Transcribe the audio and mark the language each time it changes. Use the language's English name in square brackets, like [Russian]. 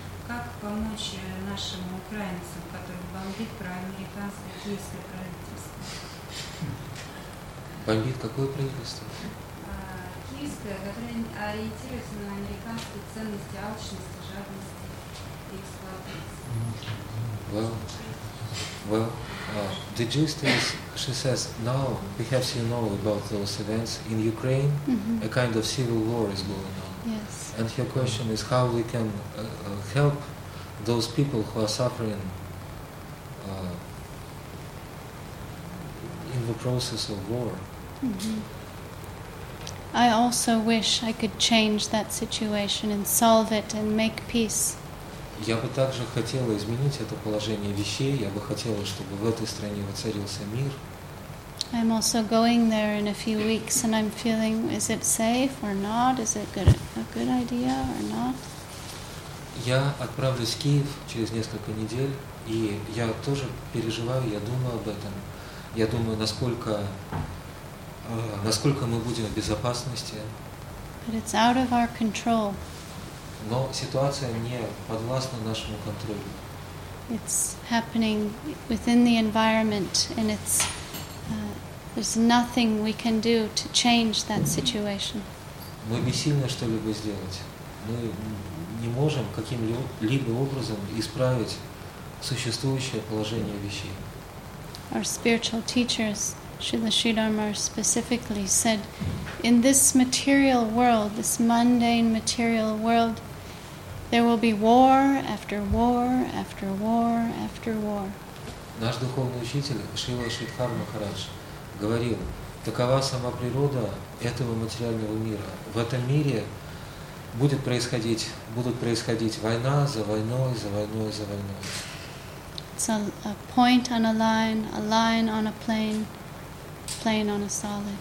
[Russian] Как помочь нашим украинцам, которых бомбит проамериканское киевское правительство? Бомбит какое правительство? Киевское, которое ориентируется на американские ценности алчности, жадности и эксплуатации. [English] The gist is, she says, now, perhaps you know about those events in Ukraine, a kind of civil war is going on. Yes. And her question is how we can help those people who are suffering in the process of war. I also wish I could change that situation and solve it and make peace. [Russian] Я бы также хотела изменить это положение вещей. Я бы хотела, чтобы в этой стране воцарился мир. [English] I'm also going there in a few weeks, and I'm feeling, is it safe or not? Is it a good idea or not? [Russian] Я отправлюсь в Киев через несколько недель, и я тоже переживаю, я думаю об этом. Я думаю, насколько мы будем в безопасности. [English] But it's out of our control. [Russian] Но ситуация не подвластна нашему контролю. [English] It's happening within the environment, and it's there's nothing we can do to change that situation. [Russian] Мы бессильны что-либо сделать. Мы не можем каким-либо образом исправить существующее положение вещей. [English] Our spiritual teachers, Srila Sridharmar specifically, said, in this material world, this mundane material world, there will be war after war after war after war. [Russian] Наш духовный учитель Шрила Шридхар Махарадж говорил: такова сама природа этого материального мира. В этом мире будут происходить война за войной, за войной, за войной. [English] It's a point on a line on a plane, plane on a solid.